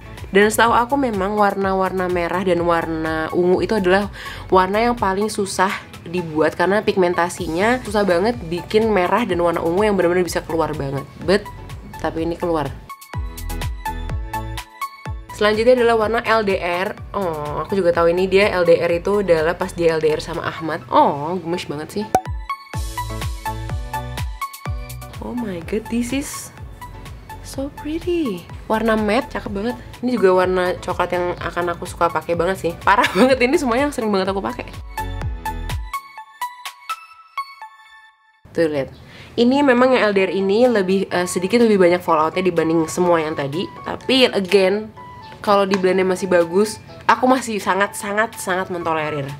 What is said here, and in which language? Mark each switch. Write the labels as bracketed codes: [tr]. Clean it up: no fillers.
[id] Dan setahu aku memang warna-warna merah dan warna ungu itu adalah warna yang paling susah dibuat karena pigmentasinya susah banget bikin merah dan warna ungu yang benar-benar bisa keluar banget. But tapi ini keluar. Selanjutnya adalah warna LDR. Oh, aku juga tahu ini dia LDR itu adalah pas dia LDR sama Ahmad. Oh, gemes banget sih. [en] Oh my god, this is so pretty. [id] Warna matte, cakep banget. Ini juga warna coklat yang akan aku suka pakai banget sih. Parah banget ini semuanya yang sering banget aku pakai. Tuh lihat. Ini memang yang LDR ini lebih sedikit lebih banyak falloutnya dibanding semua yang tadi. Tapi again, kalau di blendnya masih bagus, aku masih sangat mentolerir.